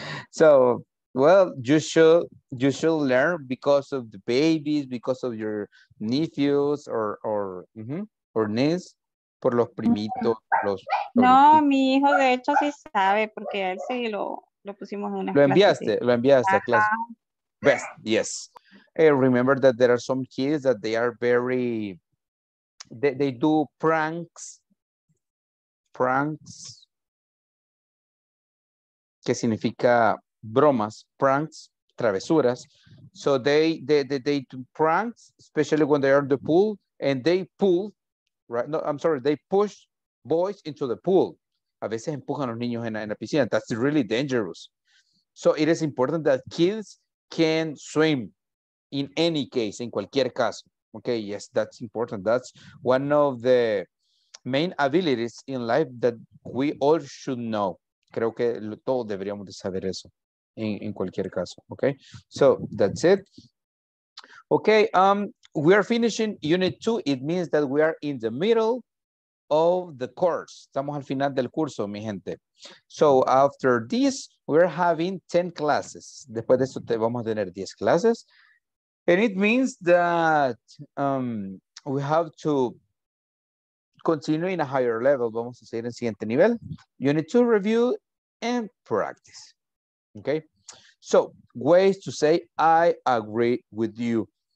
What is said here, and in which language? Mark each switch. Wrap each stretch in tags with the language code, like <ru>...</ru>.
<en>So, well, you should learn because of the babies, because of your nephews or niece,</en> <es>por los primitos, los. No, mi hijo de hecho sí sabe porque él sí lo pusimos en una. Lo enviaste, clase. Lo enviaste a clase.</es> <en>Best, yes. Hey, remember that there are some kids that they are very, they do pranks.</en> <es>Que significa bromas, pranks, travesuras.</es> <en>So they do pranks, especially when they are in the pool, and they pull, right? No, I'm sorry, they push boys into the pool.</en> <es>A veces empujan a los niños en la piscina.</es> <en>That's really dangerous. So it is important that kids can swim in any case, in</en> <es>cualquier caso.</es> <en>Okay, yes, that's important. That's one of the main abilities in life that we all should know.</en> <es>Creo que todos deberíamos de saber eso en cualquier caso.</es> <en>Okay, so that's it. Okay, we are finishing unit 2. It means that we are in the middle of the course.</en> <es>Estamos al final del curso, mi gente.</es> <en>So after this, we're having 10 classes.</en> <es>Después de esto te vamos a tener 10 clases.</es> <en>And it means that we have to continue in a higher level.</en> <es>Vamos a seguir en siguiente nivel.</es> <en>You need to review and practice. Okay? So, ways to say I agree with you.</en>